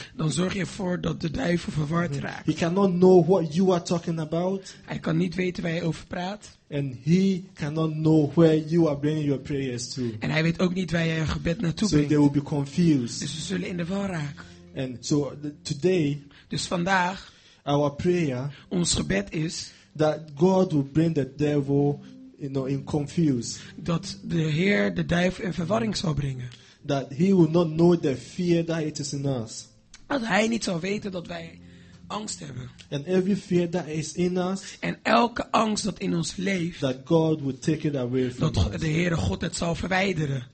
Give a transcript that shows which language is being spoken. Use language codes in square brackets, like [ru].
[nl] Dan zorg je ervoor dat de duivel verward raakt. [en] He cannot know what you are talking about. [nl] Hij kan niet weten waar je over praat. [en] And he cannot know where you are bringing your prayers to. [nl] En hij weet ook niet waar je je gebed naartoe [en] so [nl] brengt. [en] They will be confused. [nl] Dus ze zullen in de war raken. [en] And so today, [nl] dus vandaag, [en] our prayer, [nl] ons gebed is [en] that God will bring the devil, you know, in confuse. [nl] Dat de Heer de duivel in verwarring zal brengen. [en] That he will not know the fear that it is in us. [nl] Dat hij niet zal weten dat wij angst hebben. [en] And every fear that is in us, [nl] en elke angst dat in ons leeft, [en] that God will take it away from [nl] dat [en] us. [nl] De Heere God het zal verwijderen.